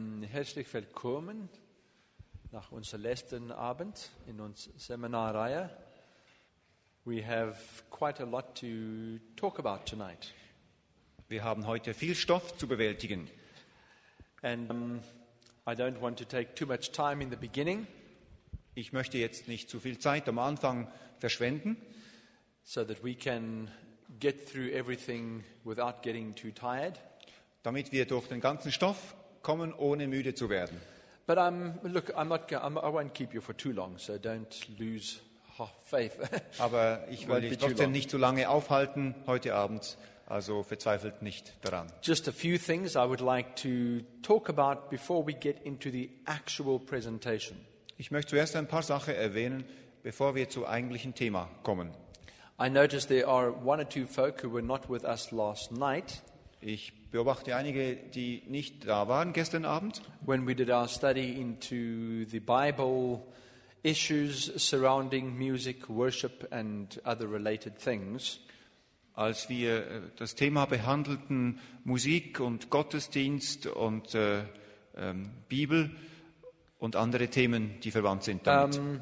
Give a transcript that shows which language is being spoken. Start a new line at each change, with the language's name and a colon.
German: Herzlich willkommen nach unserem letzten Abend in unserer Seminarreihe.
English: We have quite a lot to talk about tonight.
German: Wir haben heute viel Stoff zu bewältigen.
English: And I don't want to take too much time in the beginning.
German: Ich möchte jetzt nicht zu viel Zeit am Anfang verschwenden.
English: So that we can get through everything without getting too tired.
German: Damit wir durch den ganzen Stoff kommen, ohne müde zu werden.
English: But I won't keep you for too long, so don't lose faith.
German: Aber ich will dich trotzdem nicht zu lange aufhalten heute Abend, also verzweifelt nicht daran.
English: Just a few things I would like to talk about before we get into the actual presentation.
German: Ich möchte zuerst ein paar Sachen erwähnen, bevor wir zum eigentlichen Thema kommen.
English: I noticed there are one or two folk who were not with us last night.
German: Ich beobachte einige, die nicht da waren gestern Abend.
English: When we did our study into the Bible issues surrounding music, worship and other related things.
German: Als wir das Thema behandelten Musik und Gottesdienst und Bibel und andere Themen, die verwandt sind damit.